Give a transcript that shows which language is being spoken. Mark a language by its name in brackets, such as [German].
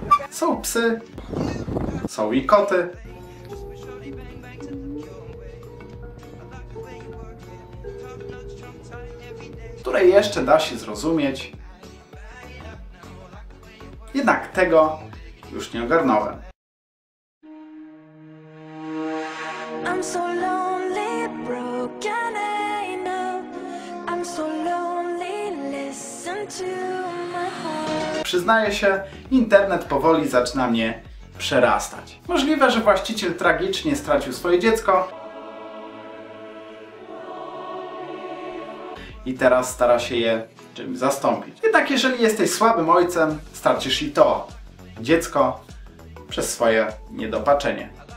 [Polish] Są psy, są i koty. Które jeszcze da się zrozumieć. Jednak tego już nie ogarnąłem. [English] I'm so lonely, broken, I know. I'm so lonely, listen to my heart. [Polish] Przyznaję się, internet powoli zaczyna mnie przerastać. Możliwe, że właściciel tragicznie stracił swoje dziecko i teraz stara się je czymś zastąpić. Jednak jeżeli jesteś słabym ojcem, stracisz i to dziecko przez swoje niedopatrzenie.